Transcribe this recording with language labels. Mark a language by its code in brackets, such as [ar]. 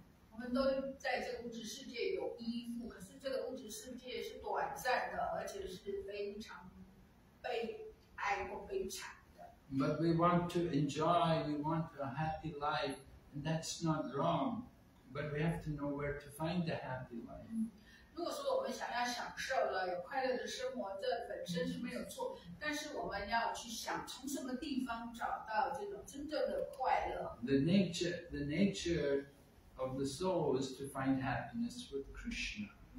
[zh] 我们都在这个物质世界有依附，可是这个物质世界是短暂的，而且是非常悲哀或悲惨的。 [en] But we want to enjoy, we want a happy life, and that's not wrong. But we have to know where to find a happy life. [zh] 如果说我们想要享受了有快乐的生活，这本身是没有错，但是我们要去想从什么地方找到这种真正的快乐。 [en] The nature of the soul is to find happiness with Krishna.